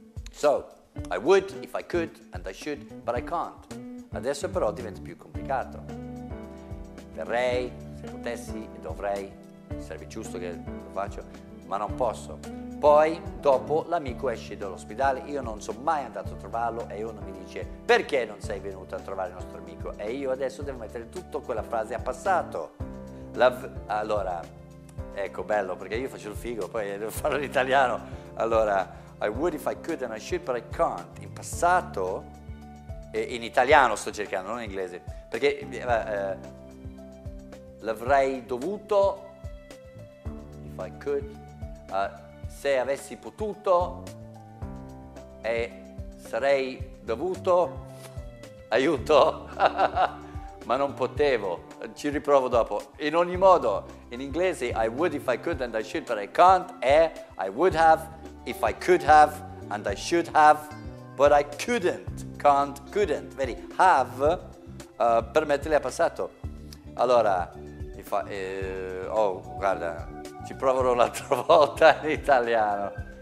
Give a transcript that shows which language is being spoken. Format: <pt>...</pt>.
<en>So, I would if I could and I should, but I can't.</en> <it>Adesso però diventa più complicato. Verrei se potessi e dovrei, sarebbe giusto che lo faccio, ma non posso. Poi, dopo, l'amico esce dall'ospedale, io non sono mai andato a trovarlo e uno mi dice, perché non sei venuto a trovare il nostro amico? E io adesso devo mettere tutta quella frase a passato. Allora, ecco, bello, perché io faccio il figo, poi devo farlo in italiano.</it> <en>Allora, I would if I could and I should, but I can't.</en> <it>In passato, in italiano sto cercando, non in inglese, perché l'avrei dovuto,</it> <en>if I could,</en> <it>se avessi potuto e sarei dovuto, aiuto, ma non potevo, ci riprovo dopo. In ogni modo, in inglese,</it> <en>I would if I could and I should but I can't, e I would have if I could have and I should have but I couldn't, can't, couldn't.</en> <it>Vedi, have permettele a passato. Allora, guarda, ci proverò un'altra volta in italiano.</it>